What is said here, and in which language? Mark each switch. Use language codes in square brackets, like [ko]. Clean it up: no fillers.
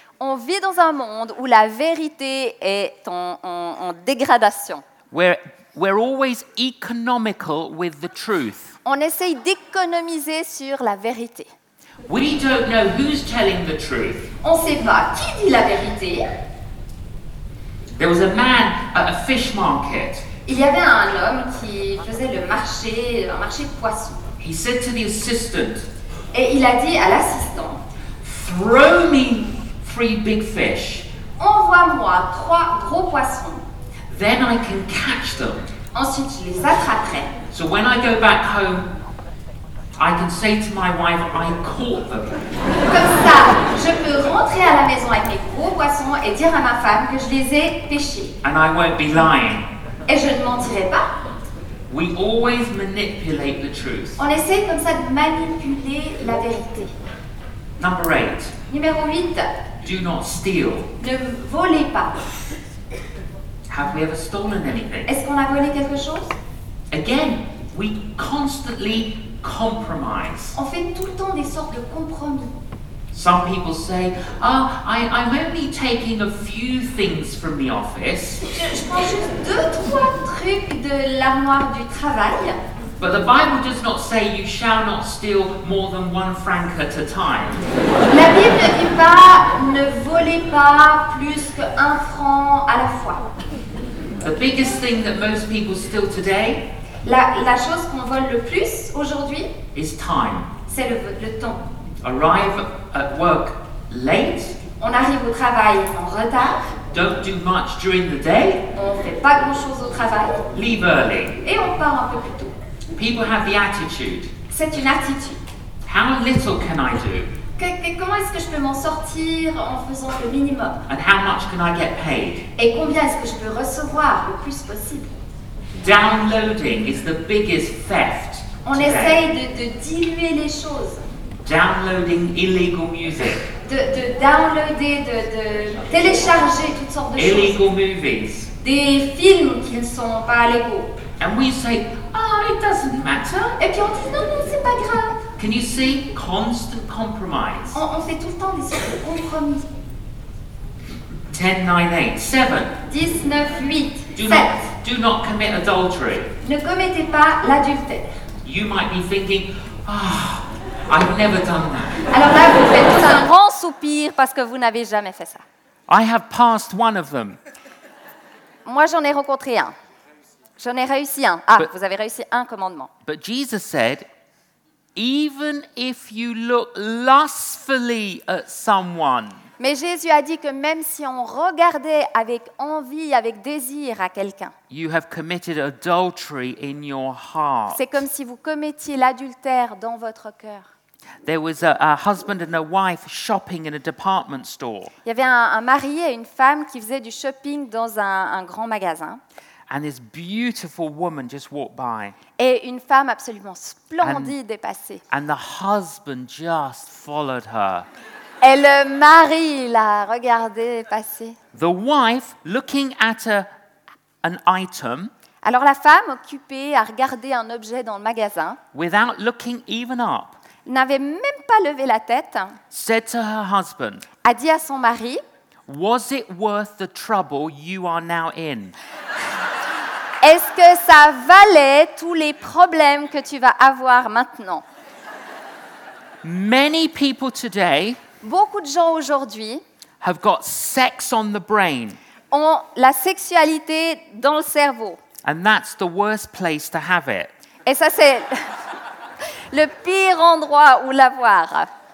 [fr] On vit dans un monde où la vérité est en dégradation. [en] We're always economical with the truth. [fr] On essaye d'économiser sur la vérité. [en] We don't know who's telling the truth. [fr] On ne sait pas qui dit la vérité. [en] There was a man at a fish market. [fr] Il y avait un homme qui faisait un marché de poissons. [en] He said to the assistant. [fr] Et il a dit à l'assistant. [en] Throw me 3 big fish. [fr] Envoie-moi 3 gros poissons. [en] Then I can catch them. [fr] Ensuite, je les attraperai. [en] So when I go back home, I can say to my wife, I caught them. [fr] Comme ça, je peux rentrer à la maison avec mes gros poissons et dire à ma femme que je les ai pêchés. [en] And I won't be lying. [fr] Et je ne mentirai pas. [en] We always manipulate the truth. [fr] On essaie comme ça de manipuler la vérité. [en] Number 8. [fr] Numéro 8. [en] Do not steal. [fr] Ne volez pas. [en] Have we ever stolen anything? [fr] Est-ce qu'on a volé quelque chose? [en] Again, we constantly compromise. [fr] On fait tout le temps des sortes de compromis. [en] Some people say, "Ah, I'm only taking a few things from the office." [fr] Je prends juste 2-3 trucs de l'armoire du travail. [en] But the Bible does not say you shall not steal more than 1 franc at a time. [fr] La Bible ne dit pas ne volez pas plus que 1 franc à la fois. [en] The biggest thing that most people steal today? [fr] La chose qu'on vole le plus aujourd'hui? [en] Is time. [fr] C'est le temps. [en] Arrive at work late? [fr] On arrive au travail en retard. [en] don't do much during the day. [fr] On fait pas grand chose au travail. [en] Leave early. [fr] Et on part un peu plus tôt. [en] People have the attitude. [fr] C'est une attitude. [en] How little can I do? [fr] Comment est-ce que je peux m'en sortir en faisant le minimum? [en] And how much can I get paid? [fr] Et combien est-ce que je peux recevoir le plus possible? [en] Downloading is the biggest theft. [fr] On essaye de diluer les choses. [en] Downloading illegal music. [fr] De télécharger toutes sortes de [en] illegal [fr] choses. [en] Illegal movies. [fr] Des films qui ne sont pas légaux. [en] And we say, ah, oh, it doesn't matter. [fr] Et puis on dit, non, c'est pas grave. [en] Can you see constant compromise? [fr] On fait tout le temps des sortes de compromis. [en] 10, 9, 8, 7. [fr] 10, 9, 8, [en] 7. Do not commit adultery. [fr] Ne commettez pas l'adultère. [en] You might be thinking, ah, I've never done that. [fr] Alors là, vous faites un grand soupir parce que vous n'avez jamais fait ça. [en] I have passed one of them. [fr] Moi, j'en ai rencontré un. J'en ai réussi un. Ah, vous avez réussi un commandement. [en] But Jesus said, even if you look lustfully at someone. [fr] Mais Jésus a dit que même si on regardait avec envie, avec désir à quelqu'un. [en] You have committed adultery in your heart. [fr] C'est comme si vous commettiez l'adultère dans votre cœur. [en] There was a husband and a wife shopping in a department store. [fr] Il y avait un mari et une femme qui faisaient du shopping dans un grand magasin. [en] And this beautiful woman just walked by. [fr] Et une femme absolument splendide est passée. [en] And the husband just followed her. [fr] Et le mari l'a regardée passer. [en] The wife looking at an item. [fr] Alors la femme occupée à regarder un objet dans le magasin. [en] Without looking even up. [fr] N'avait même pas levé la tête. [en] Said to her husband. [fr] A dit à son mari. [en] Was it worth the trouble you are now in? [fr] Est-ce que ça valait tous les problèmes que tu vas avoir maintenant? [en] Many people today, [fr] beaucoup de gens aujourd'hui, [en] have got sex on the brain. [fr] Ont la sexualité dans le cerveau. [en] And that's the worst place to have it. [fr] Et ça c'est le pire endroit où l'avoir.